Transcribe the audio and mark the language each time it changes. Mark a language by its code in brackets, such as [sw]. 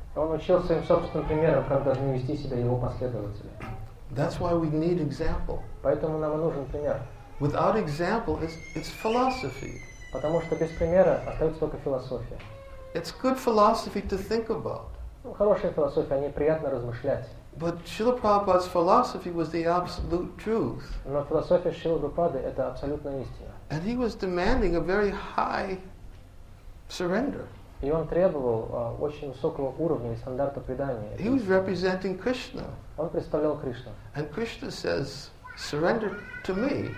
[ru] Он учил своим собственным примером, как должны вести себя его последователи. [en] That's why we need example. [ru] Поэтому нам и нужен пример. [en] Without example, it's philosophy. [ru] Потому что без примера остается только философия. [en] It's good philosophy to think about. [ru] Ну, хорошая философия, о ней приятно размышлять. [en] But Srila Prabhupada's philosophy was the absolute truth. [ru] Но философия Шрилы Прабхупады это абсолютная истина. [en] And he was demanding a very high surrender. [ru] И он требовал очень высокого уровня и стандарта предания. [en] He was representing Krishna. [ru] Он представлял Кришну. [en] And Krishna says, surrender to me.